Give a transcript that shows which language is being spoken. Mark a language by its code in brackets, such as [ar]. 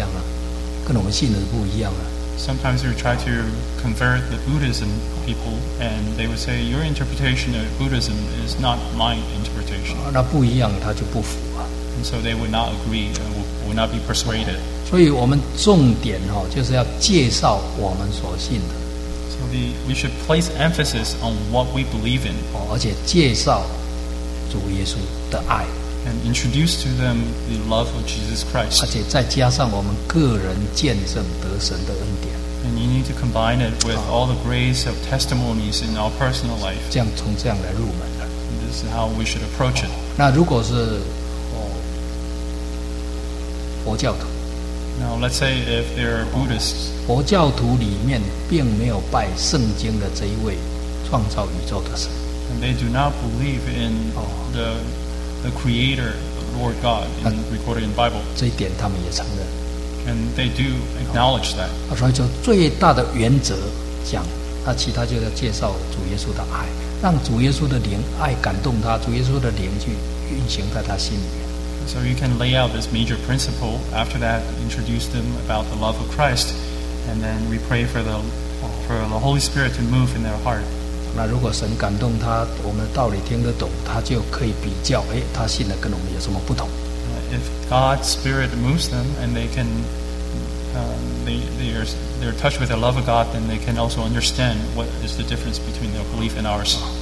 [zh] 有时候我们在解释佛教徒，我们要比较佛教跟基督教有什么不同。那佛教徒听了说，你解释的跟我们不一样啊，跟我们信的不一样啊。 [en] Sometimes we try to convert the Buddhism people, and they would say your interpretation of Buddhism is not my interpretation. [zh] 那不一样，他就不服啊。 [en] And so they would not agree, would not be persuaded. [zh] 所以我们重点就是要介绍我们所信的。 [en] We should place emphasis on what we believe in. [zh] 而且介绍主耶稣的爱。 [en] and introduce to them the love of Jesus Christ. [zh] 而且再加上我们个人见证得神的恩典。 [en] And you need to combine it with all the grace of testimonies in our personal life. [zh] 这样从这样来入门的。 [en] This is how we should approach it. [zh] 那如果是佛教徒。 [en] Now let's say if they are Buddhists. [zh] 佛教徒里面并没有拜圣经的这一位创造宇宙的神。 [en] And they do not believe in the Creator, the Lord God, in, recorded in the Bible. [zh] 这一点他们也承认。 [en] And they do acknowledge that. [zh] 所以就最大的原则讲，那其他就要介绍主耶稣的爱，让主耶稣的灵爱感动他，主耶稣的灵去运行在他心里面。 [en] So you can lay out this major principle. After that, introduce them about the love of Christ, and then we pray for the Holy Spirit to move in their heart. [zh] 那如果神感动他，我们的道理听得懂，他就可以比较，哎，他信的跟我们有什么不同？ [en] If God's Spirit moves them and they can, they're touched with the love of God, then they can also understand what is the difference between their belief and ours.